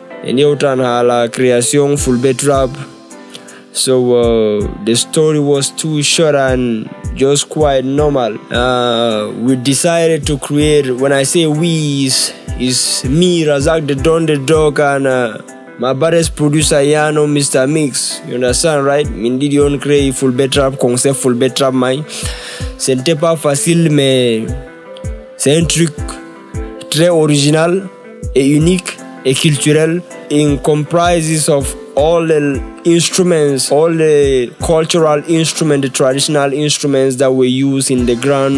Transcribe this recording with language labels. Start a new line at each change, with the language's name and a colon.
English: And you turn hala creation Fulbe Trap. So the story was too short and just quite normal. We decided to create. When I say we, is me, Razzak, the Don, the Dog, and my baddest producer Yano, Mr. Mix. You understand, right? Me did you create Fulbe Trap concept, Fulbe Trap mine.
French: C'était pas facile, mais c'est un truc très original et unique et culturel.
English: It comprises of all the instruments, all the cultural instruments, the traditional instruments that we use in the ground.